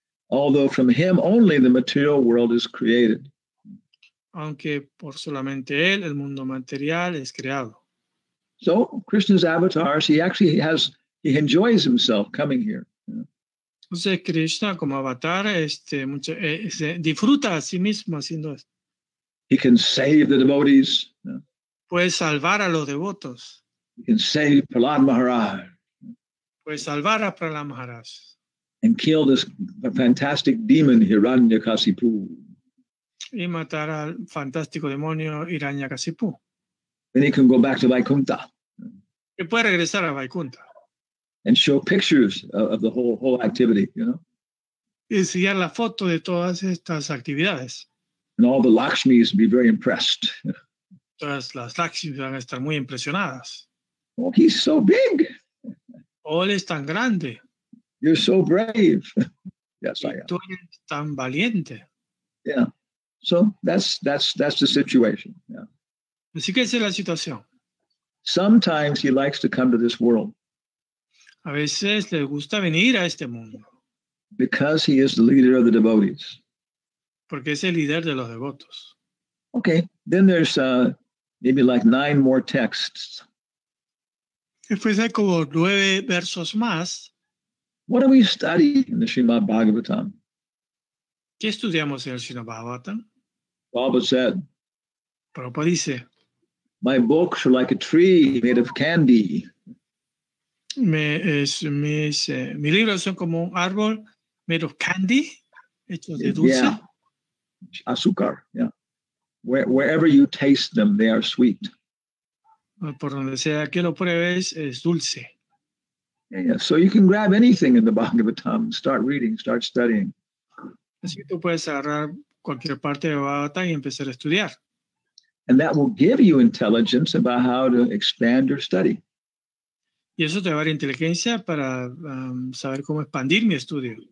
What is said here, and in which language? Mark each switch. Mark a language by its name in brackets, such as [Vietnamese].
[English] Although from him only the material world is created. [Spanish] Aunque por solamente él, el mundo material es creado. [English] So, Krishna's avatars, he actually has, he enjoys himself coming here. [Spanish] Entonces, Krishna como avatar disfruta a sí mismo haciendo esto. [English] He can save the devotees. [Spanish] Puede salvar a los devotos. [English] He can save Prahlad Maharaj. [Spanish] Puede salvar a Prahlad Maharaj. [English] And kill this fantastic demon, Hiranyakasipu. [Spanish] Y matar al fantástico demonio Hiranyakasipu. [English] Then he can go back to Vaikuntha. [Spanish] Y puede regresar a Vaikuntha. [English] And show pictures of the whole activity, you know. [Spanish] Y enseñar la foto de todas estas actividades. [English] And all the Lakshmis be very impressed. [Spanish] Todas las Lakshmis van a estar muy impresionadas. [English] Oh, he's so big. [Spanish] Oh, él es tan grande. [English] You're so brave. Yes, [Spanish] y tú eres tan valiente. [English] Yeah. So that's the situation. Yeah. [Spanish] Así que esa es la situación. [English] Sometimes he likes to come to this world. [Spanish] A veces le gusta venir a este mundo. [English] Because he is the leader of the devotees. [Spanish] Porque es el líder de los devotos. [English] Okay. Then there's maybe like 9 more texts. [Spanish] Después hay como 9 versos más. [English] What do we study in the Srimad Bhagavatam? [Spanish] ¿Qué estudiamos en el Srimad Bhagavatam? [English] Prabhupada said. [Spanish] Prabhupada dice. [English] My books are like a tree made of candy. [Spanish] Mis libros son como un árbol [English] made of candy, [Spanish] hecho de dulce. [English] Yeah. Azúcar, yeah. Wherever you taste them, they are sweet. [Spanish] Por donde sea que lo pruebes, es dulce. [English] Yeah, so you can grab anything in the Bhagavatam, start reading, start studying. [Spanish] Así que tú puedes agarrar cualquier parte de Bhagavatam y empezar a estudiar. [English] And that will give you intelligence about how to expand your study. [Spanish] Y eso te va a dar inteligencia para saber cómo expandir mi estudio.